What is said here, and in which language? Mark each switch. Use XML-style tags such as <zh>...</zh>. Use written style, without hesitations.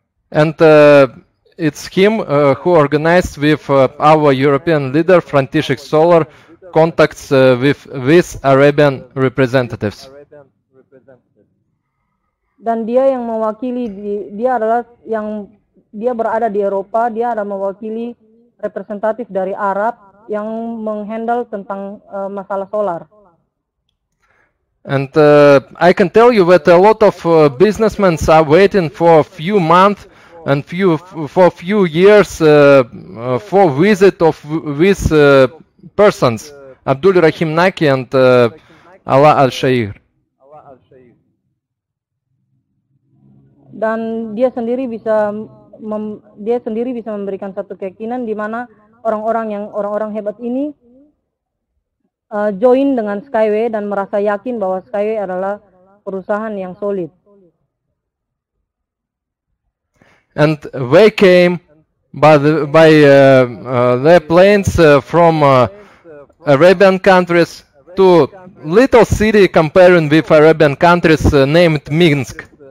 <en>And it's him who organized with our European leader, František Soller, contacts with these Arabian representatives.</en> <id>Dan dia yang mewakili, dia adalah yang, dia berada di Eropa, dia adalah mewakili representatif dari Arab yang menghandle tentang masalah solar.</id> <en>And I can tell you that a lot of businessmen are waiting for a few months and for a few years for visit of these persons, Abdul Rahim Naki and Ala Al-Shaykh.</en> <id>Dan dia sendiri bisa memberikan satu keyakinan di mana orang-orang hebat ini join dengan Skyway dan merasa yakin bahwa Skyway adalah perusahaan yang solid.</id> <en>And they came by their planes from Arabian countries to little city comparing with Arabian countries named Minsk.</en>